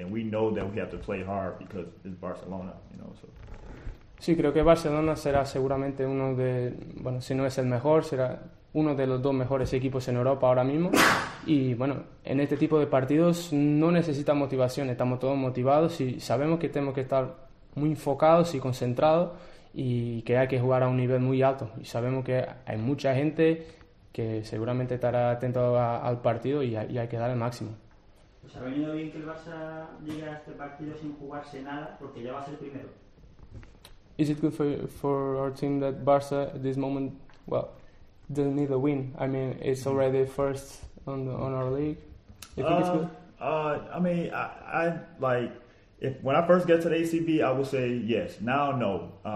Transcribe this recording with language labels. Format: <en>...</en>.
<en>And we know that we have to play hard because it's Barcelona, you know, so.</en> <es>Sí, creo que Barcelona será seguramente uno de, bueno, si no es el mejor, será uno de los dos mejores equipos en Europa ahora mismo. Y, bueno, en este tipo de partidos no necesita motivación, estamos todos motivados y sabemos que tenemos que estar muy enfocados y concentrados y que hay que jugar a un nivel muy alto. Y sabemos que hay mucha gente que seguramente estará atento al partido y hay que dar el máximo. Pues ha venido bien que el Barça llegue a este partido sin jugarse nada, porque ya va a ser primero.</es> <en>Is it good for our team that Barça at this moment, well, doesn't need a win? I mean, it's already first on the, on our league. You think it's good? I mean, I like if when I first get to the ACB, I would say yes. Now, no.</en>